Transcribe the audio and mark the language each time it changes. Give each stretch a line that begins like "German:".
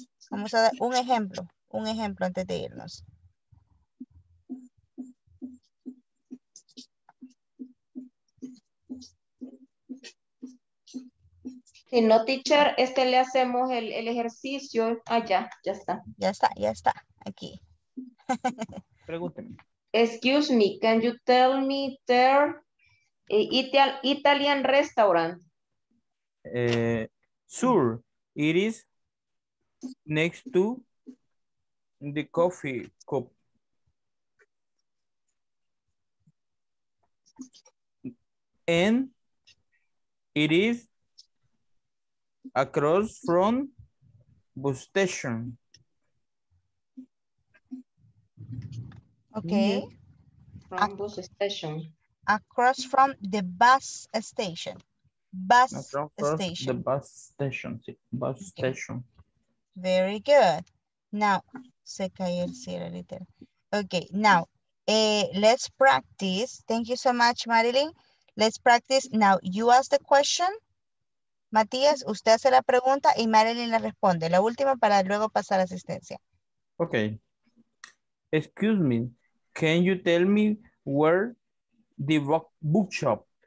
Spanish: Vamos a dar un ejemplo antes de irnos. Si no, teacher, este le hacemos el ejercicio. Ah, ya, ya está. Ya está, ya está. Aquí. Pregúnteme.
English: Excuse me, can you tell me there Italian restaurant? Sure, it is next to the coffee cup. And it is across from bus station. Okay. From bus station. Across from the bus station. Bus across station. The bus station. Sí. Bus okay. Station. Very good. Now,
Spanish: se cae el cielo literal.
English: Okay. Now, let's practice. Thank you so much, Marilyn. Let's practice. Now, you ask the question.
Spanish: Matías, usted hace la pregunta y Marilyn la responde. La última para luego pasar asistencia. Ok.
English: Excuse me, can you tell me where the bookshop?